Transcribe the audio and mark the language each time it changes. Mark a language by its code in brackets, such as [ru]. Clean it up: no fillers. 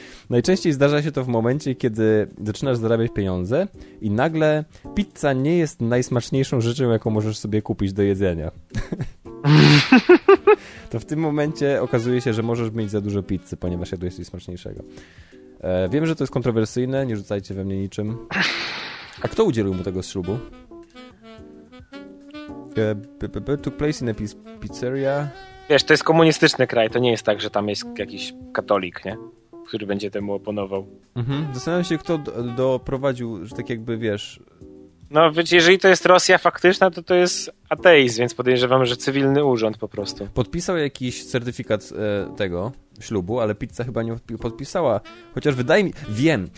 [pl] Najczęściej zdarza się to w momencie, kiedy zaczynasz zarabiać pieniądze i nagle pizza nie jest najsmaczniejszą rzeczą, jaką możesz sobie kupić do jedzenia. To w tym momencie okazuje się, że możesz mieć za dużo pizzy, ponieważ jadłeś coś smaczniejszego. Wiem, że to jest kontrowersyjne, nie rzucajcie we mnie niczym. A kto udzielił mu tego ślubu? [en] Took place in a pizzeria. [pl] Wiesz, to jest komunistyczny kraj, to nie jest tak, że tam jest jakiś katolik, nie? Który będzie temu oponował. Mhm. Zastanawiam się, kto doprowadził, że tak jakby, wiesz... No, wiecie, jeżeli to jest Rosja faktyczna, to jest ateizm, więc podejrzewam, że cywilny urząd po prostu. Podpisał jakiś certyfikat tego ślubu, ale pizza chyba nie podpisała. Chociaż wydaje mi... Wiem!